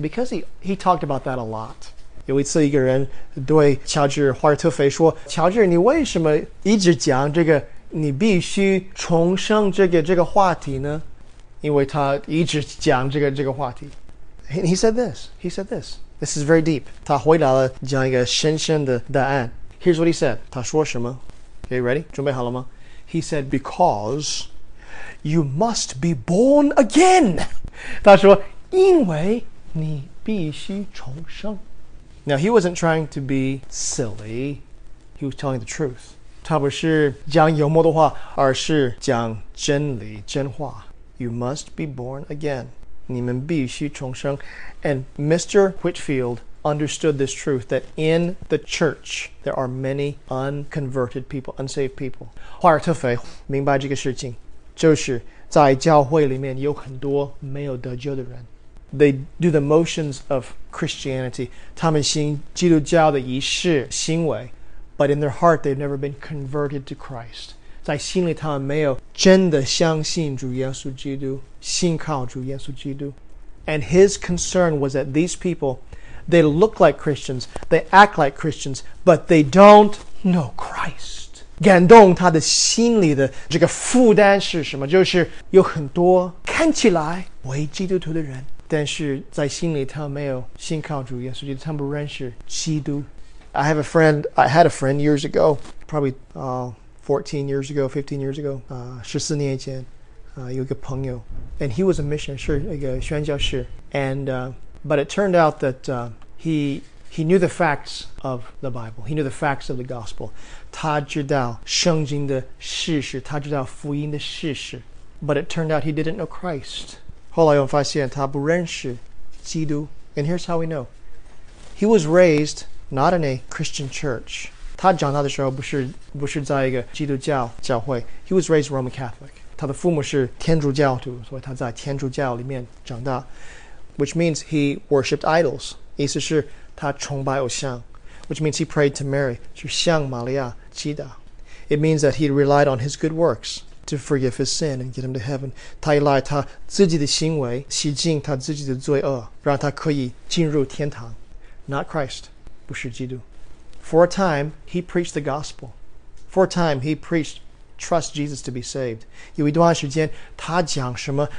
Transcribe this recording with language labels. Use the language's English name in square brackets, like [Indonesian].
[English] Because he talked about that a lot. [Chinese] 有一次一个人对乔治·华尔特菲说，乔治，你为什么一直讲这个你必须重生这个话题呢？因为他一直讲这个话题。 [English] And he said this. This is very deep. [Chinese] 他回答了这样一个深深的答案。 [English] Here's what he said. [Chinese] 他说什么 ？ [English] Okay, ready? [Chinese] 准备好了吗 ？ [English] He said, because... You must be born again. [Chinese] 他说，因为你必须重生。 [English] Now, he wasn't trying to be silly. He was telling the truth. [Chinese] 他不是讲幽默的话，而是讲真理、真话。 [English] You must be born again. [Chinese] 你们必须重生。 [English] And Mr. Whitfield understood this truth, that in the church, there are many unconverted people, unsaved people. [Chinese] 华尔特菲明白这个事情，就是在教会里面有很多没有得救的人。 [English] They do the motions of Christianity. [Chinese] 他们行基督教的仪式行为 [English] but in their heart, they've never been converted to Christ. [Chinese] 在心里他们没有真的相信主耶稣基督，信靠主耶稣基督。 [English] And his concern was that these people, they look like Christians, they act like Christians, but they don't know Christ. [Chinese] 感动他的心里的这个负担是什么？就是有很多看起来为基督徒的人，但是在心里他没有信靠主耶稣基督，他不认识基督。 [English] I had a friend years ago, probably 14 years ago, 15 years ago, [Chinese] 14年前，有一个朋友。 [English] And he was a missionary, [Chinese] 是一个宣教士。 [English] But it turned out that he knew the facts of the Bible. He knew the facts of the gospel. [Chinese] 他知道圣经的事实，他知道福音的事实。 [English] But it turned out he didn't know Christ. [Chinese] 后来我发现他不认识基督。 [English] And here's how we know. He was raised not in a Christian church. [Chinese] 他长大的时候不是在一个基督教教会。 [English] He was raised Roman Catholic. [Chinese] 他的父母是天主教徒，所以他在天主教里面长大。 [English] Which means he worshipped idols. [Chinese] 意思是他崇拜偶像。 [English] Which means he prayed to Mary. [Chinese] 是向玛利亚祈祷。 [English] It means that he relied on his good works. To forgive his sin and get him to heaven. [Chinese] 他依赖他自己的行为，洗净他自己的罪恶，让他可以进入天堂。 [English] Not Christ. [Chinese] 不是基督。 [English] For a time, he preached the gospel. For a time, he preached, trust Jesus to be saved. [Chinese] 有一段时间，他讲什么？